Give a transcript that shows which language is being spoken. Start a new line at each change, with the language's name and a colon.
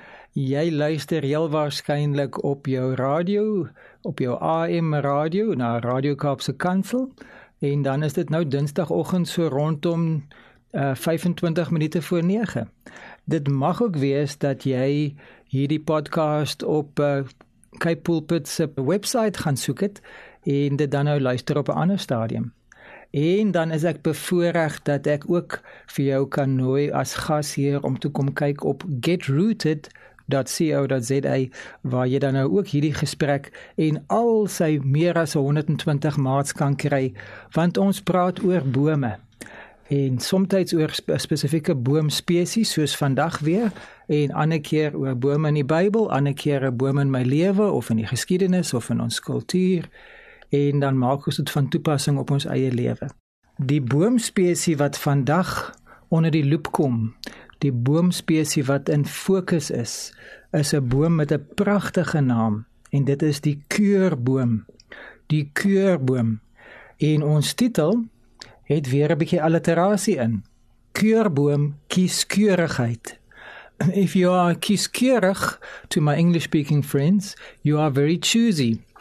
Afrikaans: Jy luister heel waarschijnlijk op jou radio, op jou AM radio, na Radio Kaapse Kansel. En dan is dit nou dinsdagochtend so rondom 25 minute voor 9. Dit mag ook wees dat jy hierdie podcast op Cape Pulpit's website gaan soek het en dit dan nou luister op 'n ander stadium. En dan is ek bevoorreg dat ek ook vir jou kan nooi as gas hier om te kom kyk op getrooted.co.za waar jy dan nou ook hierdie gesprek en al sy meer as 120 maats kan kry, want ons praat oor bome. En somtijds oor spesifieke boomspesies, soos vandag weer, en ander keer oor bome in die Bybel, ander keer oor bome in my lewe, of in die geskiedenis, of in ons kultuur, en dan maak ons dit van toepassing op ons eie lewe. Die boomspesie wat vandag onder die loep kom, die boomspesie wat in fokus is, is 'n boom met 'n pragtige naam, en dit is die keurboom. Die keurboom. En ons titel het weer 'n bietjie alliterasie in. Keurboom, kieskeurigheid.
English: If you are kieskeurig, to my English-speaking friends, you are very choosy.